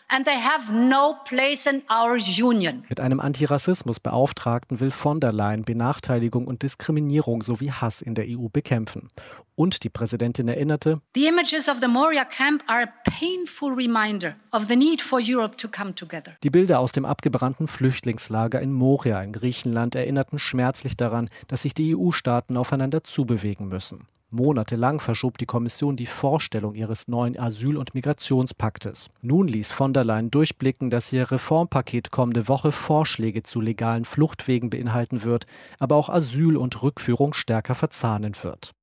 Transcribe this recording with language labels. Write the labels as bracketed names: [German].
[English] And they have no place in our union. [German] Mit einem Antirassismusbeauftragten will von der Leyen Benachteiligung und Diskriminierung sowie Hass in der EU bekämpfen. Und die Präsidentin erinnerte: [English] The images of the Moria camp are a painful reminder of the need for Europe to come together. [German] Die Bilder aus dem abgebrannten Flüchtlingslager in Moria in Griechenland erinnerten schmerzlich daran, dass sich die EU-Staaten aufeinander zubewegen müssen. Monatelang verschob die Kommission die Vorstellung ihres neuen Asyl- und Migrationspaktes. Nun ließ von der Leyen durchblicken, dass ihr Reformpaket kommende Woche Vorschläge zu legalen Fluchtwegen beinhalten wird, aber auch Asyl und Rückführung stärker verzahnen wird.